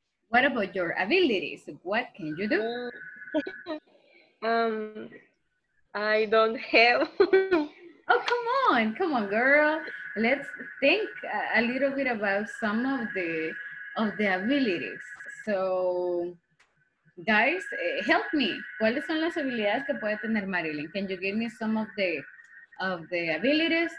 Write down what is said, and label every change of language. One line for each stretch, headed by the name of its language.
English: What about your abilities? What can you do? I don't have. Oh, come on, girl. Let's think a little bit about some of the abilities. So, guys, help me.
Spanish: ¿Cuáles son las habilidades que puede tener Marilyn?
English: Can you give me some of the abilities?